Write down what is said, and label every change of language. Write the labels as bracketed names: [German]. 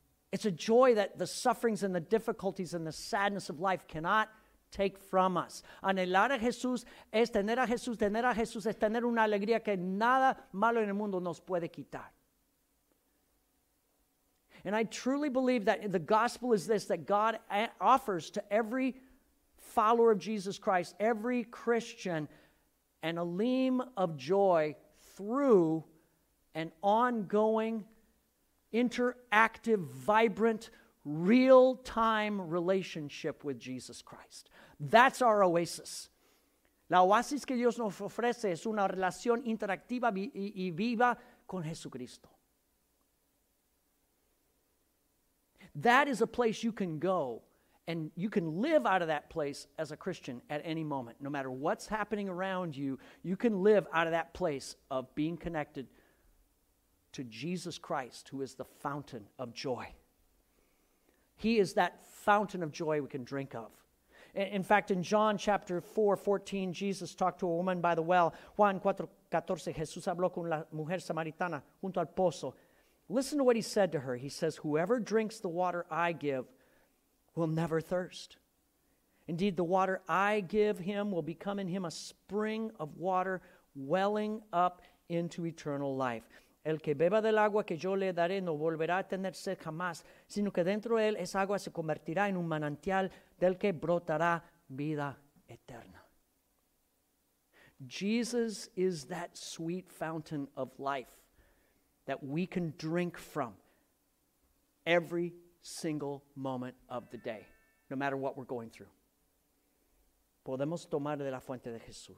[English] It's a joy that the sufferings and the difficulties and the sadness of life cannot take from us. [Spanish] Anhelar a Jesús es tener a Jesús. Tener a Jesús es tener una alegría que nada malo en el mundo nos puede quitar. [English] And I truly believe that the gospel is this, that God offers to every follower of Jesus Christ, every Christian, an elim of joy through an ongoing, interactive, vibrant, real-time relationship with Jesus Christ. That's our oasis. [Spanish] La oasis que Dios nos ofrece es una relación interactiva y viva con Jesucristo. [English] That is a place you can go, and you can live out of that place as a Christian at any moment. No matter what's happening around you, you can live out of that place of being connected to Jesus Christ, who is the fountain of joy. He is that fountain of joy we can drink of. In fact, in John chapter 4:14, Jesus talked to a woman by the well. [Spanish] Juan 4:14, Jesús habló con la mujer samaritana junto al pozo. [English] Listen to what he said to her. He says, whoever drinks the water I give will never thirst. Indeed, the water I give him will become in him a spring of water welling up into eternal life. [Spanish] El que beba del agua que yo le daré no volverá a tener sed jamás, sino que dentro de él esa agua se convertirá en un manantial del que brotará vida eterna. [English] Jesus is that sweet fountain of life that we can drink from every single moment of the day, no matter what we're going through. [Spanish] Podemos tomar de la fuente de Jesús.